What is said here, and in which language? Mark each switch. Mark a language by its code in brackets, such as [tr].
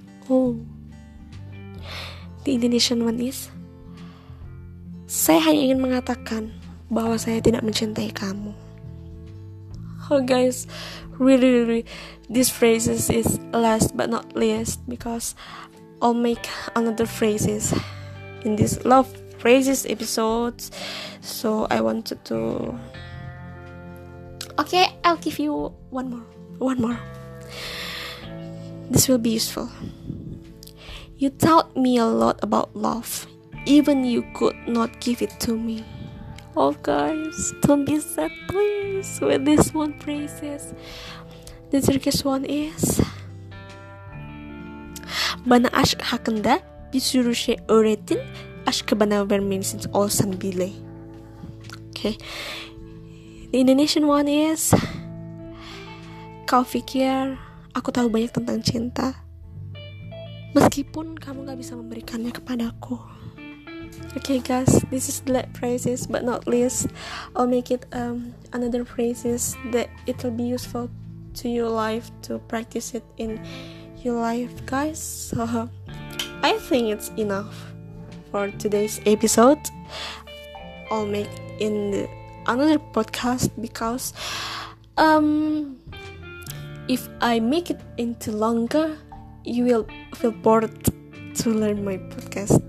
[en] Oh, the Indonesian one is [id] Saya hanya ingin mengatakan bahwa saya tidak mencintai kamu. [en] Oh guys, really, these phrases is last but not least, because I'll make another phrases in this love phrases episode. So I wanted to. Okay, I'll give you one more. This will be useful. You taught me a lot about love. Even you could not give it to me. Oh guys, don't be sad please with this one phrases. The Turkish one is [tr] Bana aşk hakkında bir sürü şey öğrettin, aşkı bana vermemişsin olsan bile. Okay. [en] The Indonesian one is [id] Kau pikir aku tahu banyak tentang cinta, meskipun kamu gak bisa memberikannya kepadaku. [en] Okay guys, this is the last phrases, but not least, I'll make it another phrases that it'll be useful to your life, to practice it in your life, guys. So I think it's enough for today's episode. I'll make in another podcast because if I make it into longer, you will feel bored to learn my podcast.